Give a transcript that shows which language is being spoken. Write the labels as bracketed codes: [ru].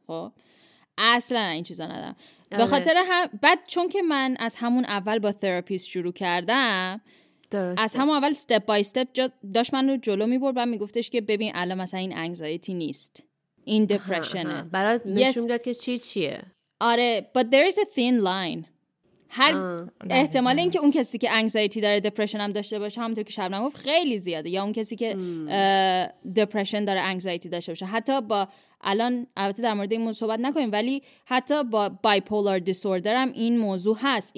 [fa] خب اصلا این چیزا ندارم. به خاطر هم بعد چون که من از همون اول با تراپیست شروع کردم، درسته. از همون اول ستپ بای ستپ داشت من رو جلو میبرد و میگفتش که ببین الان مثلا این انگزایتی نیست، این دپرشنه. برات نشون داد که چیه. آره [en] but there is a thin line. [fa] هر احتمال اینکه اون کسی که انگزایتی داره دپرشن هم داشته باشه همونطور که شبنم گفت خیلی زیاده، یا اون کسی که دپرشن داره انگزایتی داشته باشه. حتی با الان البته در مورد این موضوع صحبت نکنیم، ولی حتی با بایپولار دیسوردر هم این موضوع هست.